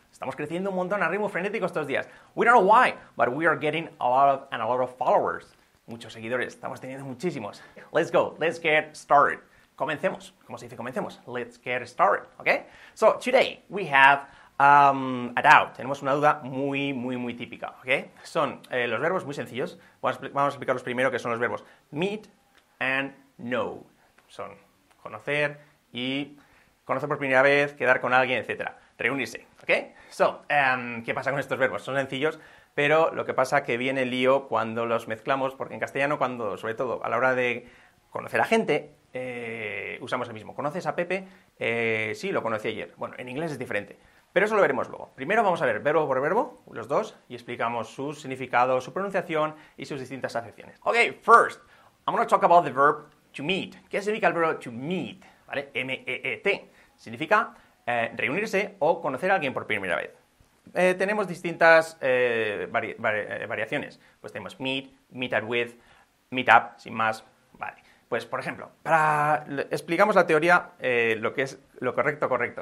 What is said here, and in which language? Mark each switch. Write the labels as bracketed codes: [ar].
[es] Estamos creciendo un montón a ritmo frenético estos días. [en] We don't know why, but we are getting a lot of followers. [es] Muchos seguidores. Estamos teniendo muchísimos. [en] Let's go. Let's get started. [es] Comencemos. ¿Cómo se dice comencemos? [en] Let's get started. Okay? So, today, we have a doubt. [es] Tenemos una duda muy, muy, muy típica. Okay? Son los verbos muy sencillos. Vamos a explicar los primero, que son los verbos meet and know. Son conocer y conocer por primera vez, quedar con alguien, etc. Reunirse. Okay? So, ¿qué pasa con estos verbos? Son sencillos. Pero lo que pasa es que viene el lío cuando los mezclamos, porque en castellano, cuando, sobre todo a la hora de conocer a gente, usamos el mismo. ¿Conoces a Pepe? Sí, lo conocí ayer. Bueno, en inglés es diferente. Pero eso lo veremos luego. Primero vamos a ver verbo por verbo, los dos, y explicamos su significado, su pronunciación y sus distintas acepciones. [en] Ok, first, I'm going to talk about the verb to meet. [es] ¿Qué significa el verbo to meet? ¿Vale? M-E-E-T. Significa reunirse o conocer a alguien por primera vez. Tenemos distintas variaciones. Pues tenemos meet, meet up with, meet up, sin más. Vale. Pues, por ejemplo, explicamos la teoría, lo que es lo correcto, correcto.